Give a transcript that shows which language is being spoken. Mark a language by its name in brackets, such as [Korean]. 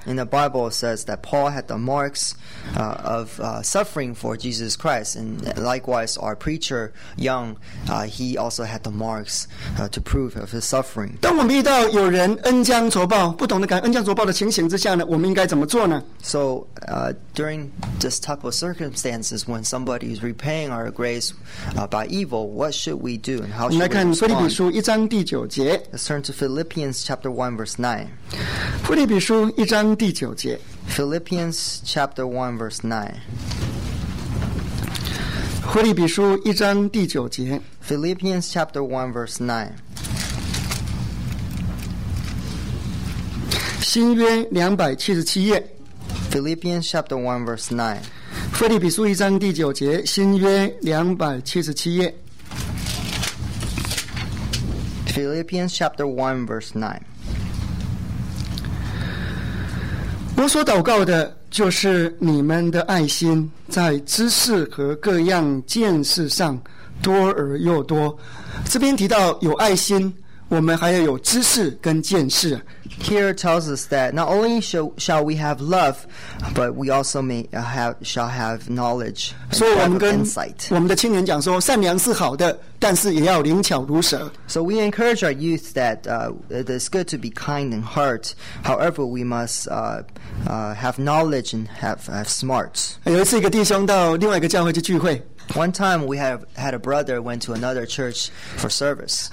[English] In the Bible says that Paul had the marks of suffering for Jesus Christ, and likewise our preacher Young, he also had the marks to prove of his suffering. [Chinese] 当我们遇到有人恩将仇报，不懂得感恩将仇报的情形之下呢，我们应该怎么做呢 [English] ？So during this type of circumstances, when somebody is repaying our grace. By evil, what should we do and how should we respond? [Chinese] 我们来看腓立比书一章第九节。 [English] Let's turn to Philippians chapter 1 verse 9. [Chinese] 腓立比书一章第九节。 [English] Philippians chapter 1 verse 9. [Chinese] 腓立比书一章第九节。 [English] Philippians chapter 1 verse 9. [Chinese] 新约277页。 [English] Philippians chapter 1 verse 9. [Chinese] 腓立比书一章第九节，新约277页。 [English] Philippians chapter 1 verse 9. [Chinese] 我所祷告的就是你们的爱心在知识和各样见识上多而又多。这边提到有爱心，我们还要有知识跟见识。 [English] Here tells us that not only shall we have love, but we also shall have knowledge and insight. [Chinese] 我们的青年讲说，善良是好的，但是也要灵巧如蛇。 [English] So we encourage our youth that it is good to be kind in heart. However, we must have knowledge and have smarts. [Chinese] 有一次，一个弟兄到另外一个教会去聚会。 [English] One time we had a brother went to another church for service.